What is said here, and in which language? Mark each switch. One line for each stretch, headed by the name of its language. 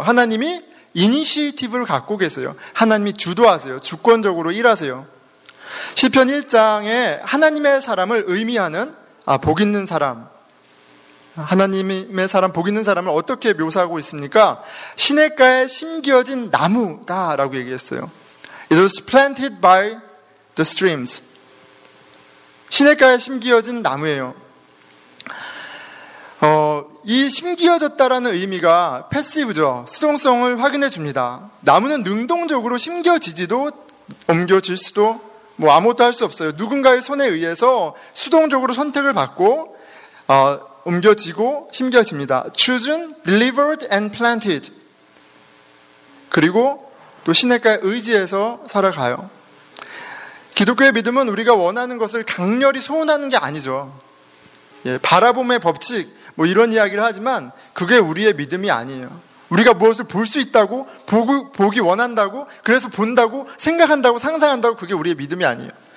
Korean: 하나님이 이니시티브를 갖고 계세요. 하나님이 주도하세요. 주권적으로 일하세요. 시편 1장에 하나님의 사람을 의미하는 복 있는 사람, 하나님의 사람, 복 있는 사람을 어떻게 묘사하고 있습니까? 시냇가에 심겨진 나무다라고 얘기했어요.
English: It was planted by the streams.
Korean: 시냇가에 심겨진 나무예요. 이 심겨졌다라는 의미가 패시브죠. 수동성을 확인해 줍니다. 나무는 능동적으로 심겨지지도 옮겨질 수도 뭐 아무것도 할 수 없어요. 누군가의 손에 의해서 수동적으로 선택을 받고 옮겨지고 심겨집니다.
English: Chosen, delivered and planted.
Korean: 그리고 또 시냇가에 의지해서 살아가요. 기독교의 믿음은 우리가 원하는 것을 강렬히 소원하는 게 아니죠. 예, 바라봄의 법칙 뭐 이런 이야기를 하지만 그게 우리의 믿음이 아니에요. 우리가 무엇을 볼 수 있다고 보기 원한다고 그래서 본다고 생각한다고 상상한다고 그게 우리의 믿음이 아니에요.